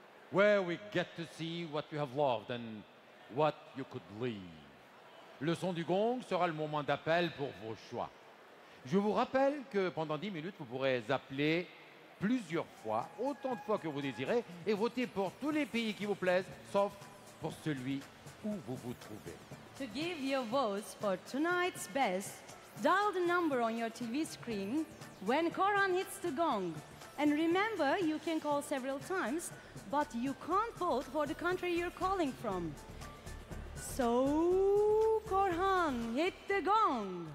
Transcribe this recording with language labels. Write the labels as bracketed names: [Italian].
[English] where we get to see what you have loved and what you could leave. [French] Le son du gong sera le moment d'appel pour vos choix. Je vous rappelle que pendant 10 minutes, vous pourrez appeler plusieurs fois, autant de fois que vous désirez, et voter pour tous les pays qui vous plaisent, sauf pour celui où vous vous trouvez. [English] To give your votes for tonight's best, dial the number on your TV screen when Korhan hits the gong. And remember, you can call several times, but you can't vote for the country you're calling from. So, Korhan, hit the gong.